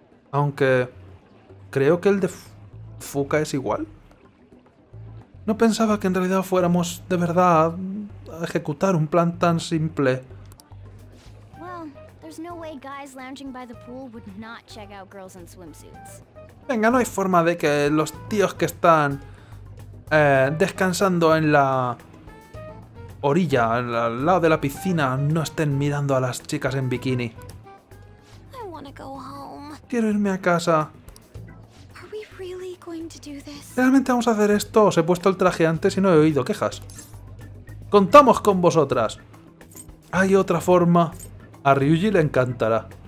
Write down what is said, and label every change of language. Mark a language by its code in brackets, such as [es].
[es] Aunque creo que el de Fuka es igual. No pensaba que en realidad fuéramos de verdad a ejecutar un plan tan simple. [en] There's no way guys lounging by the pool would not check out girls in swimsuits. [es] Venga, no hay forma de que los tíos que están descansando en la orilla, al lado de la piscina, no estén mirando a las chicas en bikini. [en] I wanna go home. [es] Quiero irme a casa. [en] Are we really going to do this? [es] ¿Realmente vamos a hacer esto? Os he puesto el traje antes y no he oído quejas. ¡Contamos con vosotras! Hay otra forma. A Ryuji le encantará.